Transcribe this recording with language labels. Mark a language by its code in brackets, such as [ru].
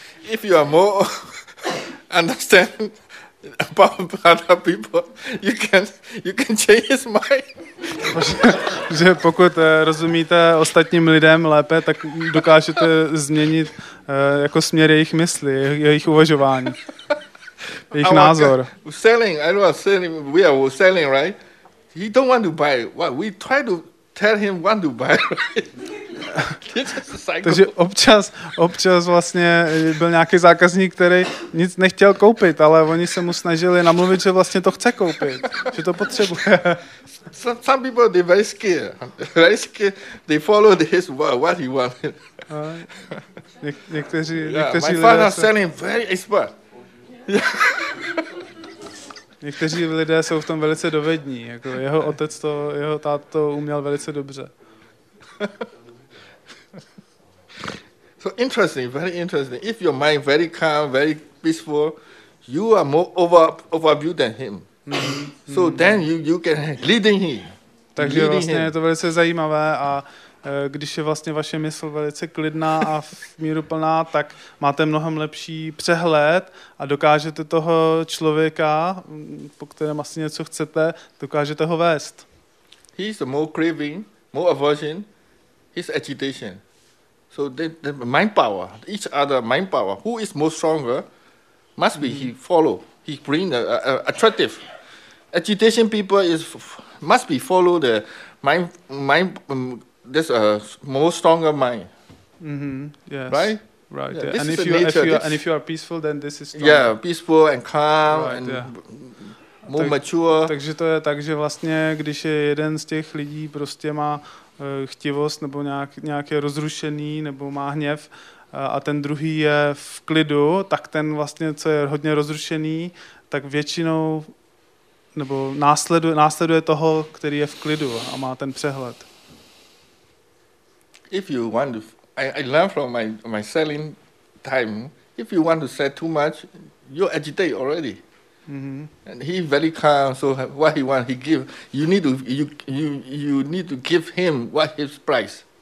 [en] If you are more understand about other people, you can change his mind. [cs] Že pokud rozumíte ostatním lidem lépe, tak dokážete změnit jako směr jejich mysli, jejich uvažování, jejich názor. [en] Selling, I was selling, we are selling, right? He don't want to buy. What? We try to tell him when to buy. [cs] Takže občas vlastně byl nějaký zákazník, který nic nechtěl koupit, ale oni se mu snažili namluvit, že vlastně to chce koupit, že to potřebuje. [en] Some people they very scared. They follow his what he want. [cs] Někteří lidé. [en] My father selling very expert. [cs] Někteří lidé jsou v tom velice dovední. Jako jeho otec to, jeho táta to uměl velice dobře. [en] So interesting. If your mind very calm, very peaceful, you are more overview than him. Mm-hmm. So then you can leading him. [cs] Takže [en] leading [cs] vlastně [en] him. [cs] Je to velice zajímavé a když je vlastně vaše mysl velice klidná a v míru plná, tak máte mnohem lepší přehled a dokážete toho člověka, po kterém asi něco chcete, dokážete ho vést. [en] He's the more craving, more aversion, his agitation. So the mind power, each other mind power, who is more stronger, must be he follow. He bring attractive. Agitation people is must be follow the mind. This more stronger mind. Mm-hmm. Yes. Right. Yeah. And if you are peaceful, then this is stronger. Yeah, peaceful and calm more mature. [cs] Takže to je tak, že vlastně, když je jeden z těch lidí prostě má chtivost nebo nějaké rozrušený nebo má hněv, a ten druhý je v klidu, tak ten vlastně, co je hodně rozrušený, tak většinou nebo následuje toho, který je v klidu a má ten přehled. [en] If you want to, I learn from my selling time. If you want to say too much, you agitate already. Mm-hmm. And he's very calm, so what he wants, he give. You need to give him what his price.